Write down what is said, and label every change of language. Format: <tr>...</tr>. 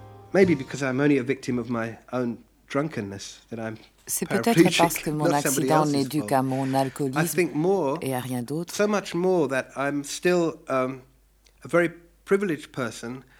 <en>Maybe because I'm only a victim of my own drunkenness that I'm.</en> <fr>C'est peut-être parce que mon accident n'est dû qu'à mon alcoolisme et à rien d'autre.</fr> <en>So much more that I'm still a very privileged person.</en>